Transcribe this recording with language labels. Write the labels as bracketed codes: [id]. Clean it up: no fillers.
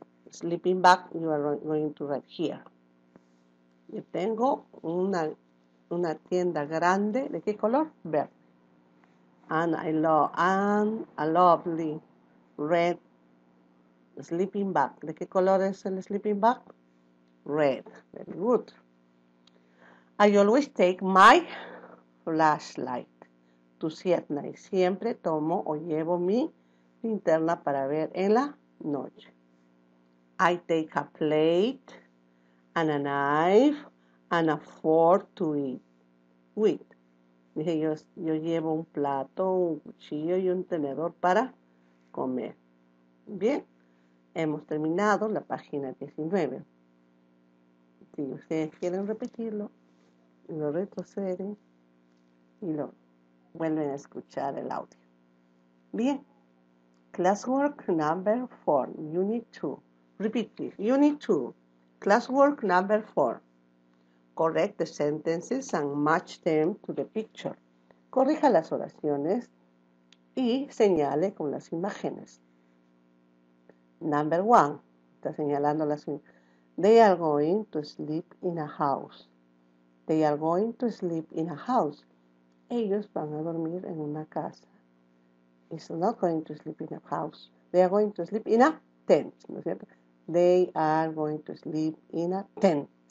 [en] Sleeping bag, you are going to write here. [es] Yo tengo una tienda grande, ¿de qué color? Verde. [en] And I love, and a lovely red sleeping bag. [es] ¿De qué color es el sleeping bag? [en] Red. Very good. I always take my flashlight to see at night. [es] Siempre tomo o llevo mi linterna para ver en la noche. [en] I take a plate and a knife and a fork to eat with. [es] Dije, yo llevo un plato, un cuchillo y un tenedor para comer. Bien, hemos terminado la página 19. Si ustedes quieren repetirlo, lo retroceden y lo vuelven a escuchar el audio. [en] Bien, classwork number 4, unit 2. Repeat this. Unit 2, classwork number 4. Correct the sentences and match them to the picture. [es] Corrija las oraciones y señale con las imágenes. [en] Number 1, [es] está señalando las imágenes. [en] They are going to sleep in a house. They are going to sleep in a house. [es] Ellos van a dormir en una casa. [en] It's not going to sleep in a house. They are going to sleep in a tent. [es] ¿No es cierto? [en] They are going to sleep in a tent.